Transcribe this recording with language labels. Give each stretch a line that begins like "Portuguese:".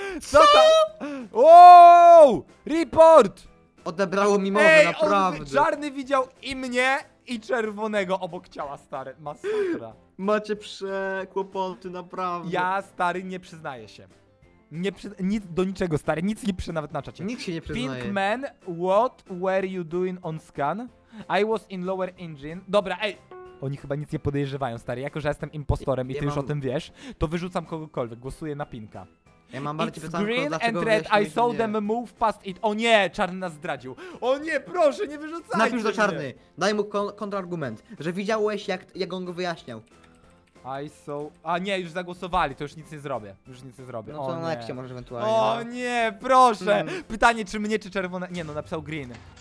Polish: Co? Wow! Report! Odebrało mi mowę, ej, naprawdę. On czarny widział i mnie, i czerwonego obok ciała, stary. Masakra. Macie przekłopoty, naprawdę. Ja, stary, nie przyznaję się. Nie nic do niczego, stary. Nic nie przyznaję nawet na czacie. Nikt się nie przyznaje.
English: Pink man, what were you doing on scan? I was in lower engine.
Polish: Dobra, ej. Oni chyba nic nie podejrzewają, stary. Jako, że jestem impostorem i ty już o tym wiesz, to wyrzucam kogokolwiek. Głosuję na Pinka. Ja mam bardziej pytanie,
English: green and red, I saw them move past it.
Polish: O nie, czarny nas zdradził. O nie, proszę, nie wyrzucaj. Napisz do czarny. Daj mu kontrargument, że widziałeś, jak on go wyjaśniał.
English: I saw...
Polish: A nie, już zagłosowali, to już nic nie zrobię. Już nic nie zrobię. No to o na nie. Lekcie możesz ewentualnie. O nie, proszę. No. Pytanie, czy mnie, czy czerwone... Nie, no napisał green.